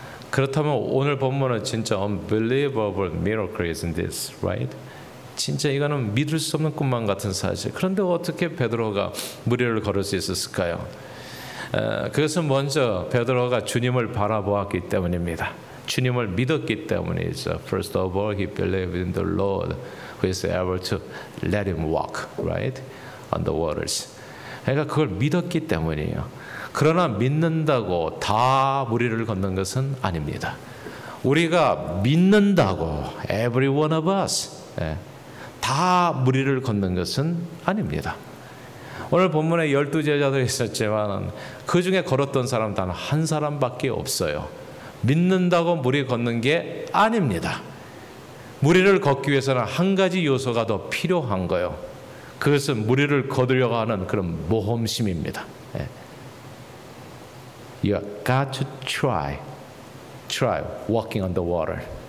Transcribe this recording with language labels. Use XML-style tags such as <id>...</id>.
<ko>그렇다면 오늘 본문은 진짜</ko> <en>unbelievable miracle isn't this, right?</en> <ko>진짜 이거는 믿을 수 없는 꿈만 같은 사실. 그런데 어떻게 베드로가 물 위를 걸을 수 있었을까요? 그것은 먼저 베드로가 주님을 바라보았기 때문입니다. 주님을 믿었기 때문이죠.</ko> <en>First of all, he believed in the Lord who is able to let him walk, right? On the waters.</en> <ko>그러니까 그걸 믿었기 때문이에요. 그러나 믿는다고 다 물 위를 걷는 것은 아닙니다. 우리가 믿는다고</ko> <en>every one of us</en> <ko>다 물 위를 걷는 것은 아닙니다. 오늘 본문에 열두 제자들이 있었지만 그 중에 걸었던 사람 단 한 사람밖에 없어요. 믿는다고 물 위 걷는 게 아닙니다. 물 위를 걷기 위해서는 한 가지 요소가 더 필요한 거예요. 그것은 물 위를 걷으려고 하는 그런 모험심입니다.</ko> <en>You got to try walking on the water.</en>